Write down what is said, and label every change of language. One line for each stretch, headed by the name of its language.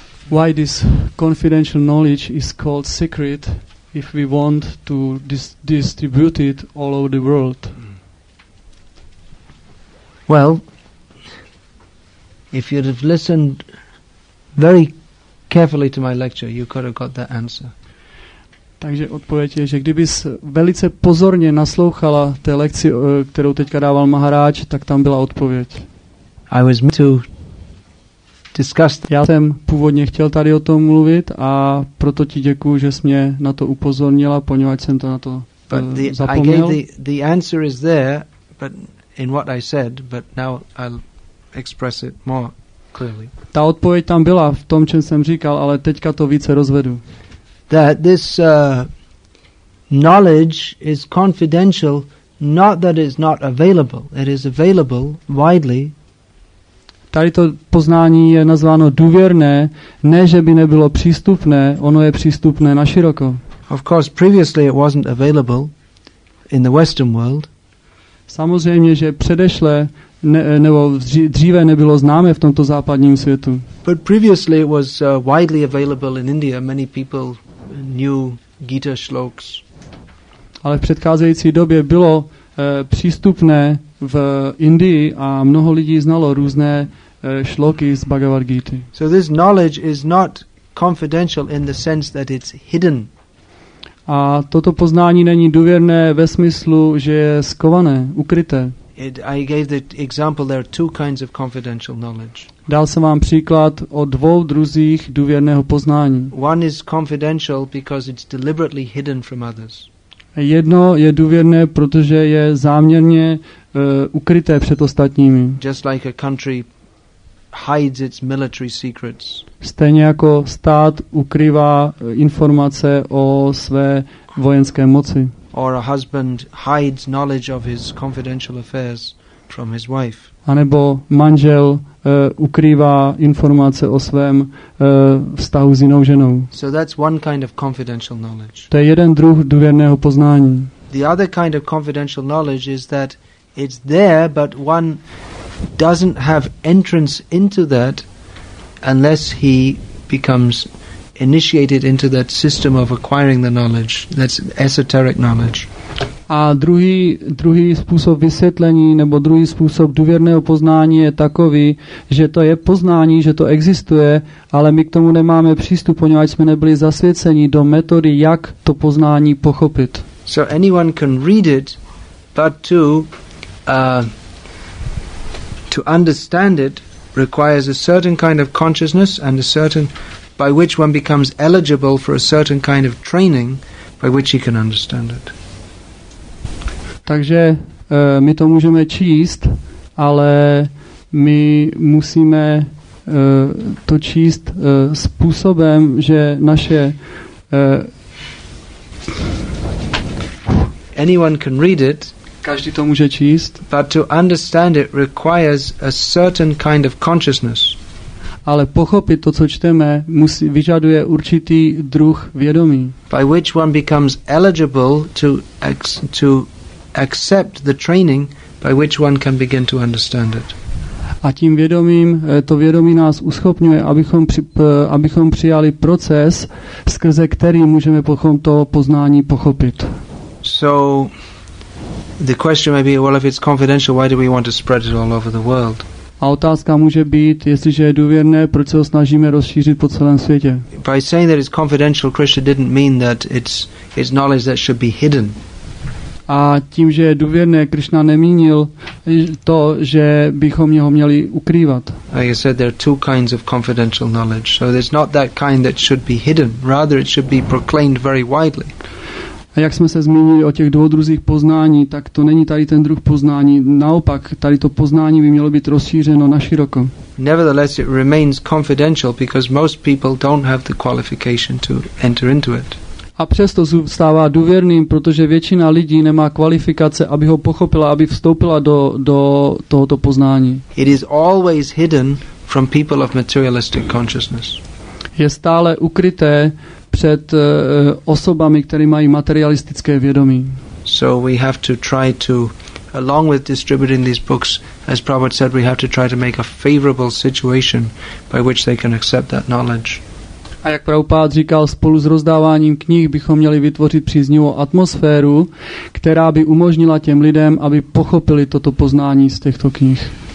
English: Why this confidential knowledge is called secret? If we want to distribute it all over the world. Well, if you'd have listened very carefully to my lecture, you could have got that answer.
Czech: Takže odpověď je, že kdybys velice pozorně naslouchala té lekci, kterou teďka dával Maharaj, tak tam byla odpověď.
English: I was meant to discuss.
Czech: Já jsem původně chtěl tady o tom mluvit a proto ti děkuju, že jsi mě na to upozornila, poněvadž jsem to na to zapomněl.
English: The answer is there, but in what I said, but now I'll express it more clearly.
Czech: Ta odpověď tam byla v tom, čem jsem říkal, ale teďka to více rozvedu.
English: That this knowledge is confidential, not that it's not available. It is available widely.
Czech: Tady to poznání je nazváno důvěrné, ne že by nebylo přístupné, ono je přístupné na široko.
English: Of course, previously it wasn't available in the Western world.
Czech: Samozřejmě, že předešle nebo dříve nebylo známé v tomto západním světu.
English: But previously it was widely available in India. Many people knew Gita shlokas.
Czech: Ale v předcházející době bylo přístupné v Indii a mnoho lidí znalo různé šloky z Bhagavad Gita.
English: So this knowledge is not confidential in the sense that it's hidden.
Czech: A toto poznání není důvěrné ve smyslu, že je skované, ukryté.
English: I gave the example there are two kinds of confidential knowledge.
Czech: Dal jsem vám příklad o dvou druzích důvěrného poznání.
English: One is confidential because it's deliberately hidden from others.
Czech: Jedno je důvěrné, protože je záměrně ukryté před ostatními.
English: Just like a country hides its military secrets.
Czech: Stejně jako stát ukrývá informace o své vojenské moci.
English: Or a husband hides knowledge of his confidential affairs from his wife.
Czech: A nebo manžel ukrývá informace o svém vztahu s jinou ženou.
English: So that's one kind of confidential knowledge.
Czech: To je jeden druh důvěrného poznání.
English: The other kind of confidential knowledge is that it's there, but one doesn't have entrance into that unless he becomes initiated into that system of acquiring the knowledge, that's esoteric knowledge.
Czech: A druhý způsob vysvětlení nebo druhý způsob důvěrného poznání je takový, že to je poznání, že to existuje, ale my k tomu nemáme přístup, poněvadž jsme nebyli zasvěceni do metody, jak to poznání pochopit.
English: So anyone can read it, but to understand it requires a certain kind of consciousness and a certain by which one becomes eligible for a certain kind of training by which he can understand it.
Czech: Takže my to můžeme číst, ale my musíme to číst způsobem, že naše
English: anyone can read it.
Czech: Každý to může číst.
English: But to understand it requires a certain kind of consciousness.
Czech: Ale pochopit to, co čteme, vyžaduje určitý druh vědomí.
English: By which one becomes eligible to accept the training by which one can begin to understand it.
Czech: A tím vědomím, to vědomí nás uschopňuje, abychom přijali proces, skrze který můžeme potom to poznání pochopit.
English: So the question may be, well, if it's confidential, why do we want to spread it all over the world?
Czech: A otázka může být, jestliže je důvěrné, proč se ho snažíme rozšířit po celém světě.
English: By saying that it's confidential, Krishna didn't mean that it's knowledge that should be hidden.
Czech: A tím, že je důvěrné, Krishna nemínil to, že bychom ho měli ukrývat.
English: Like I said, there are two kinds of confidential knowledge. So there's not that kind that should be hidden. Rather, it should be proclaimed very widely.
Czech: A jak jsme se zmínili o těch dvou druzích poznání, tak to není tady ten druh poznání. Naopak, tady to poznání by mělo být rozšířeno naširoko.
English: Nevertheless, it remains confidential because most people don't have the qualification to enter into it.
Czech: A přesto zůstává důvěrným, protože většina lidí nemá kvalifikace, aby ho pochopila, aby vstoupila do tohoto poznání.
English: It is always hidden from people of materialistic consciousness.
Czech: Je stále ukryté před osobami, které mají materialistické vědomí.
English: So we have to try to, along with distributing these books, as Prabhupada said, we have to try to make a favorable situation by which they can accept that knowledge.
Czech: A jak Prabhupád říkal, spolu s rozdáváním knih bychom měli vytvořit příznivou atmosféru, která by umožnila těm lidem, aby pochopili toto poznání z těchto knih.